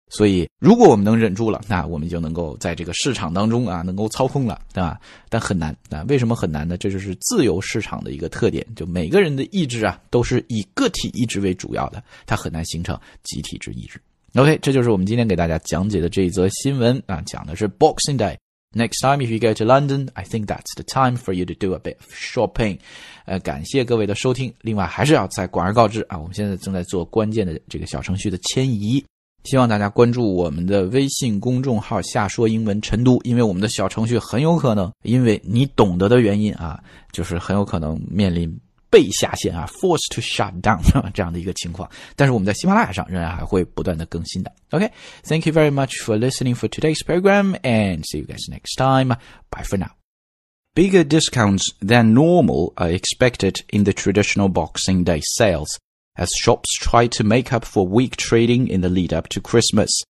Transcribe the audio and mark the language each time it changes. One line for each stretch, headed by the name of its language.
Chinese: 所以如果我们能忍住了，那我们就能够在这个市场当中啊能够操控了，对吧？但很难。那为什么很难呢？这就是自由市场的一个特点，就每个人的意志啊都是以个体意志为主要的，它很难形成集体之意志。 OK， 这就是我们今天给大家讲解的这一则新闻啊，讲的是 Boxing Day。
English: Next time if you go to London, I think that's the time for you to do a bit of shopping.
Chinese: 感谢各位的收听。另外还是要再广而告之啊，我们现在正在做关键的这个小程序的迁移，希望大家关注我们的微信公众号“下说英文晨读”，因为我们的小程序很有可能，因为你懂得的原因啊，就是很有可能面临被下线啊 ，
English: forced to shut down
Chinese: 这样的一个情况。但是我们在喜马拉雅上仍然还会不断的更新的。
English: OK，thank you very much for listening for today's program and see you guys next time. Bye for now. Bigger discounts than normal are expected in the traditional Boxing Day sales as shops try to make up for weak trading in the lead up to Christmas.